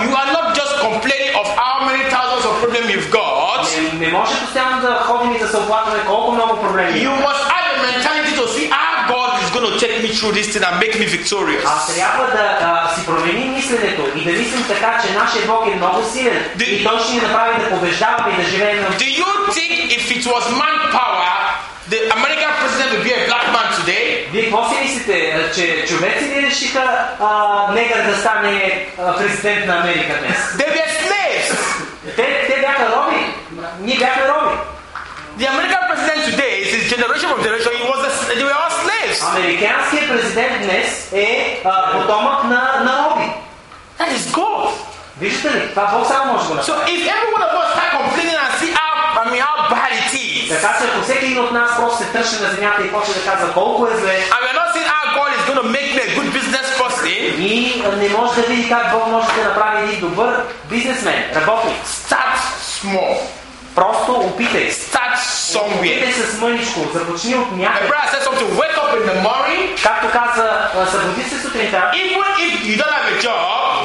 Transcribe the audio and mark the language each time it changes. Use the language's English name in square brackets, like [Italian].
[English] You are not just complaining of how many thousands of problems you've got. [Bulgarian] Не може постоянно да ходим и да се оплакваме колко много проблеми. [English] You must have a mentality to see our God is going to take me through this thing and make me victorious. [Bulgarian] Аз трябва да си променим мисленето и да мислим така, че нашия Бог е много силен и Той ще ни направи да побеждаваме и да живеем. [English] Do you think if it was manpower, the American president would be a black man today? [Bulgarian] Вие какво си мислите, че човеци ли решиха негър да стане президент на Америка днес? [English] They were slaves. [Bulgarian] Те бяха роби. Ние бяхме роби. [English] The American president today is his generation from generation. He was they were all slaves. [Bulgarian] Американският президент днес е потомък на роби. [English] That is God. [Bulgarian] Вижте ли, това Бог само може да направи. [English] So if every one of us start complaining and see how bad it is. [Bulgarian] Така че ако всеки един от нас просто се тръща на земята и почне да казва колко е зле. [English] And we're not saying our God is going to make me a good business person. [Bulgarian] И не може да види как Бог може да направи един добър бизнесмен, работник. [English] Start small. [Bulgarian] Просто опитай. [English] Start somewhere. [Bulgarian] Опитай се с мъничко. Започни от някъде. [English] Hey, brother, I said something. Wake up in the morning. [Bulgarian] Както каза, събуди се сутринта. [English] Even if you don't have a job.